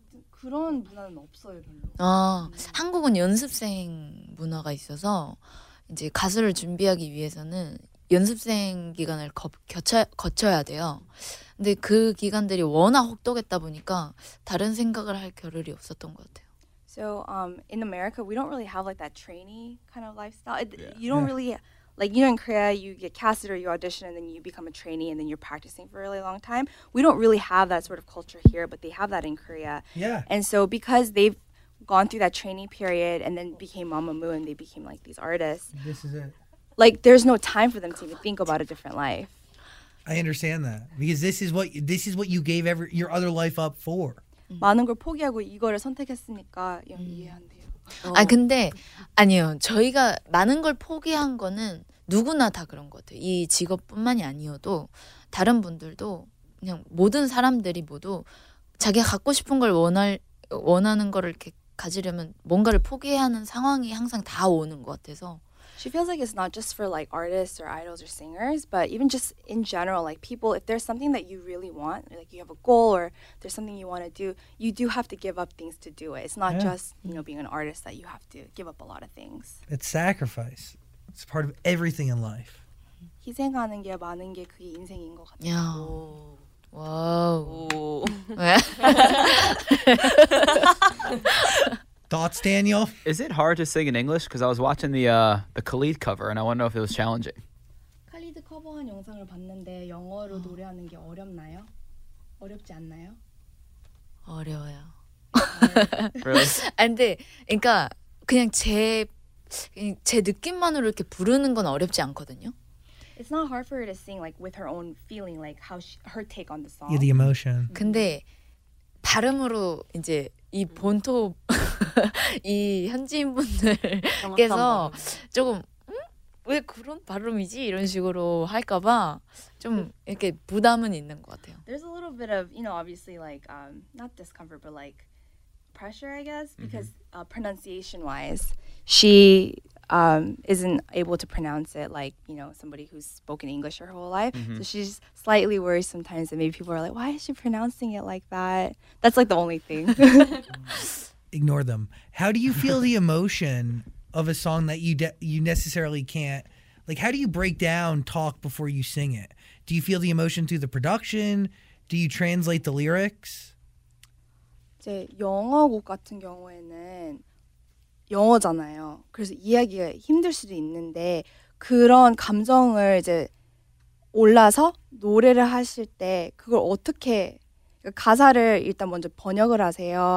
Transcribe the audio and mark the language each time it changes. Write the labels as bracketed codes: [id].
[ko] 그런 문화는 없어요 별로. 한국은 연습생 문화가 있어서 이제 가수를 준비하기 위해서는 연습생 기간을 거쳐야 돼요. 근데 그 기간들이 워낙 혹독했다 보니까 다른 생각을 할 겨를이 없었던 것 같아요. [en] So in America, we don't really have like that trainee kind of lifestyle. You don't really like you know in Korea, you get casted or you audition and then you become a trainee and then you're practicing for a really long time. We don't really have that sort of culture here, but they have that in Korea. Yeah. And so because they've gone through that trainee period and then became Mamamoo and they became like these artists. This is it. Like there's no time for them to even think about a different life. I understand that because this is what you gave your other life up for. [ko] 많은 걸 포기하고 이거를 선택했으니까 이해한대요. 아 근데 아니요 저희가 많은 걸 포기한 거는 누구나 다 그런 것 같아요. 이 직업뿐만이 아니어도 다른 분들도 그냥 모든 사람들이 모두 자기가 갖고 싶은 걸 원하는 거를 이렇게 가지려면 뭔가를 포기해야 하는 상황이 항상 다 오는 것 같아서. [en] She feels like it's not just for like artists or idols or singers, but even just in general, like people, if there's something that you really want, like you have a goal or there's something you want to do, you do have to give up things to do it. It's not just, you know, being an artist that you have to give up a lot of things. It's sacrifice. It's part of everything in life. [ko] 희생하는 게 많은 게 그게 인생인 것 같아요. 와. [en] Thoughts, Daniel? Is it hard to sing in English? Because I was watching the Khalid cover, and I want to know if it was challenging. [ko] Khalid 커버한 영상을 봤는데 영어로 노래하는 게 어렵나요? 어렵지 않나요? 어려워요. 그래요? 근데 그러니까 그냥 제 느낌만으로 이렇게 부르는 건 어렵지 않거든요. [en] It's not hard for her to sing like with her own feeling, like how she, her take on the song. Yeah, the emotion. [ko] 근데 발음으로 이제 이 본토 이 현지인 분들께서 조금 왜 그런 발음이지 이런 식으로 할까봐 좀 이렇게 부담은 있는 것 같아요. [en] There's a little bit of, you know, obviously like not discomfort, but like pressure, I guess, because pronunciation-wise, she isn't able to pronounce it like, you know, somebody who's spoken English her whole life. Mm-hmm. So she's slightly worried sometimes that maybe people are like, why is she pronouncing it like that? That's like the only thing. Ignore them. How do you feel the emotion of a song that you you necessarily can't, like, how do you break down talk before you sing it? Do you feel the emotion through the production? Do you translate the lyrics? [ko] 제 영어 곡 같은 경우에는 영어잖아요. 그래서 이해하기가 힘들 수도 있는데 그런 감정을 이제 올라서 노래를 하실 때 그걸 어떻게 가사를 일단 먼저 번역을 하세요?